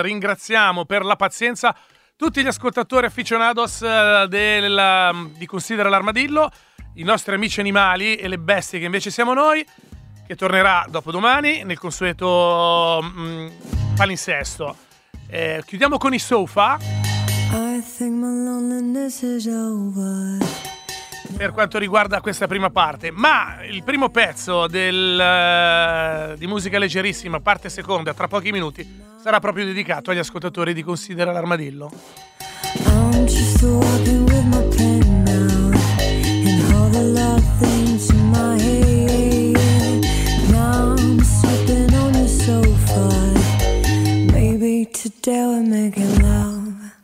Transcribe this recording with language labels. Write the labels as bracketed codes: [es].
[it] Ringraziamo per la pazienza tutti gli ascoltatori aficionados di Considera l'Armadillo, i nostri amici animali e le bestie che invece siamo noi, che tornerà dopodomani nel consueto palinsesto. Chiudiamo con i Sofa. [en] I think my loneliness is over. [it] Per quanto riguarda questa prima parte, ma il primo pezzo di musica leggerissima, parte seconda, tra pochi minuti, sarà proprio dedicato agli ascoltatori di Considera l'Armadillo. [en] I'm just walking with my pen now, and all the love things in my head. Now I'm sleeping on your sofa. Maybe today we're making love.